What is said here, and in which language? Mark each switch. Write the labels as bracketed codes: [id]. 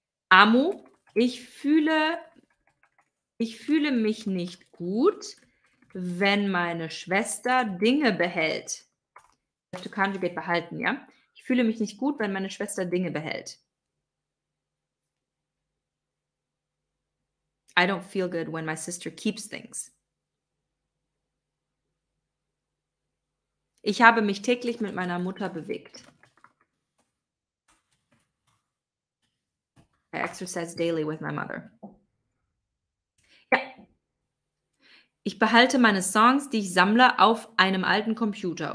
[de] Amu, ich fühle mich nicht gut, wenn meine Schwester Dinge behält. [en] To conjugate [de] behalten, ja? Ich fühle mich nicht gut, wenn meine Schwester Dinge behält. [en] I don't feel good when my sister keeps things. [de] Ich habe mich täglich mit meiner Mutter bewegt. [en] I exercise daily with my mother. [de] Ich behalte meine Songs, die ich sammle, auf einem alten Computer.